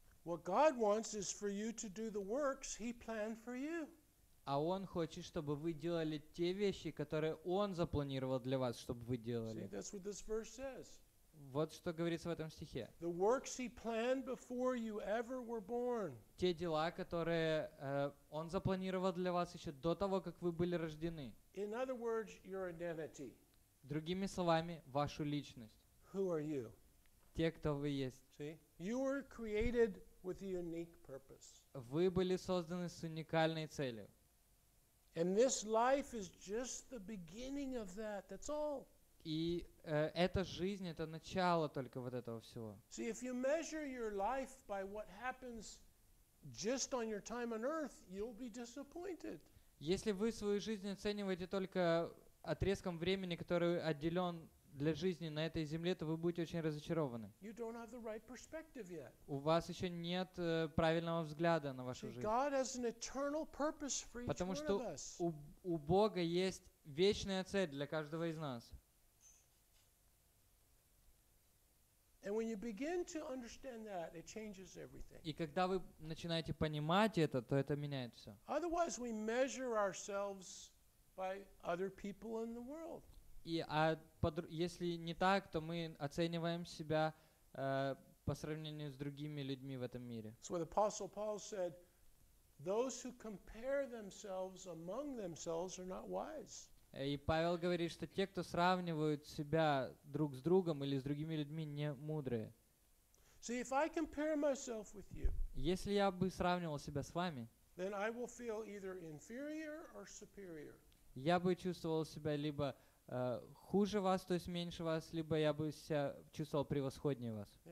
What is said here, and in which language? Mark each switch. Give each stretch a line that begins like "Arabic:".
English: What God wants is for you to do the works He planned for you.
Russian: А Он хочет, чтобы вы делали те вещи, которые Он запланировал для вас, чтобы вы делали.
English: See, that's what this verse says.
Russian: Вот что говорится в этом стихе.
English: The works He planned before you ever were born.
Russian: Те дела, которые Он запланировал для вас еще до того, как вы были рождены.
English: In other words, your identity.
Russian: Другими словами, вашу личность.
English: Who are you?
Russian: Те, кто вы есть.
English: See? You were created with a unique purpose.
Russian: Вы были созданы с уникальной целью.
English: And this life is just the beginning of that. That's all.
Russian: И эта жизнь — это начало только вот этого всего.
English: See, if you measure your life by what happens just on your time on earth, you'll be disappointed.
Russian: Если вы свою жизнь оцениваете только отрезком времени, который отделен для жизни на этой земле, то вы будете очень разочарованы.
English: You don't have the right perspective yet.
Russian: У вас еще нет правильного взгляда на вашу жизнь.
English: God has an eternal purpose for each one of us.
Russian: Потому что у Бога есть вечная цель для каждого из нас.
English: And when you begin to understand that, it changes everything.
Russian: И когда вы начинаете понимать это, то это меняет все.
English: Otherwise, we measure ourselves by other people in the world.
Russian: И если не так, то мы оцениваем себя по сравнению с другими людьми в этом мире.
English: So the Apostle Paul said, those who compare themselves among themselves are not wise.
Russian: И Павел говорит, что те, кто сравнивают себя друг с другом или с другими людьми, не мудрые.
English: See, if I compare myself with you,
Russian: если я бы сравнивал себя с вами,
English: then I will feel either inferior or superior.
Russian: Я бы чувствовал себя либо хуже вас, то есть меньше вас, либо я бы себя чувствовал превосходнее вас.